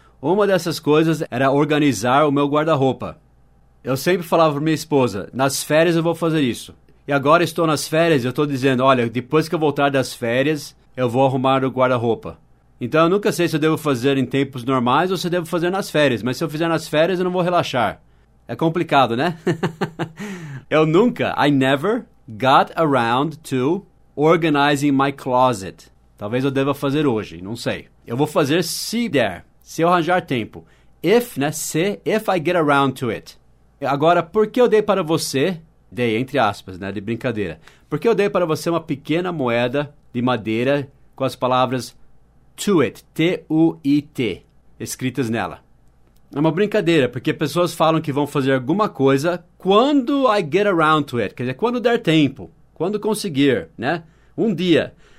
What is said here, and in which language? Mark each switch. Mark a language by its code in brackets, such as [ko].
[pt] Uma dessas coisas era organizar o meu guarda-roupa. Eu sempre falava para minha esposa, nas férias eu vou fazer isso. E agora estou nas férias e eu estou dizendo, olha, depois que eu voltar das férias, eu vou arrumar o guarda-roupa. Então eu nunca sei se eu devo fazer em tempos normais ou se eu devo fazer nas férias. Mas se eu fizer nas férias, eu não vou relaxar. É complicado, né? Eu nunca, [en] I never got around to organizing my closet. [pt] Talvez eu deva fazer hoje, não sei. Eu vou fazer se der, se eu arranjar tempo. [en] If, [pt] né, se, [en] if I get around to it. [pt] Agora, por que eu dei para você, dei entre aspas, né, de brincadeira. Por que eu dei para você uma pequena moeda de madeira com as palavras [en] to it, [pt] T-U-I-T, escritas nela? É uma brincadeira, porque pessoas falam que vão fazer alguma coisa quando [en] I get around to it, [pt] quer dizer, quando der tempo, quando conseguir, né? Um dia.